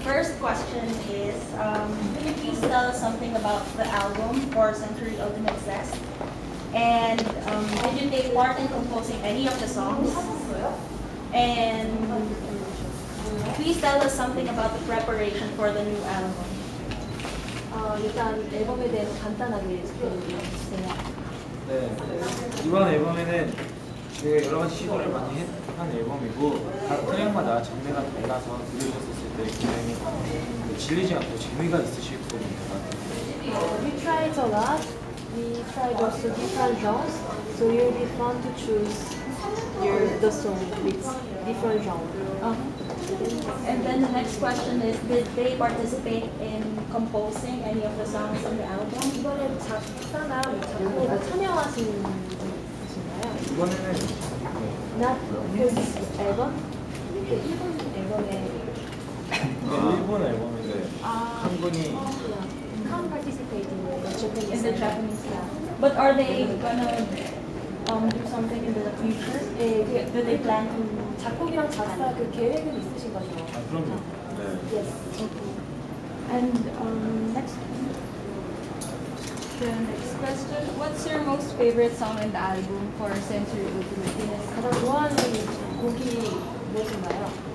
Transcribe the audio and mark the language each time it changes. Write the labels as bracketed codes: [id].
[en] First question is, can you please tell us something about the album for Century Ultimate Zest? And did you take part in composing any of the songs? And please tell us something about the preparation for the new album. [ko] 일단 앨범에 대해서 간단하게 소개해 주세요. 네, 이번 앨범에는 되게 여러 가지 시도를 많이 한 앨범이고 각 트랙마다 장르가 달라서 들으셨을 때 굉장히 질리지 않고 재미가 있으실 것 같아요. [en] We tried a lot. We tried also different genres. So it will be fun to choose your, the song with different genre. And then the next question is, did they participate in composing any of the songs on the album? [ko] 이번에 작사나 작곡에 참여하신 분이신가요? 이번에는 [en] Not this album? [ko] 일본 앨범에 일본 앨범인데 한 분이 [en] Come participate in the Japanese in the Japanese style. But are they gonna do something in the future? Do they plan to [ko] 작곡이랑 작사 그 계획은 있으신 거죠? 아, 그럼요. 네. [en] Yes. And next, the next question. What's your most favorite song in the album for Century Ultimate? [ko] 가장 좋아하는 곡이 무엇인가요?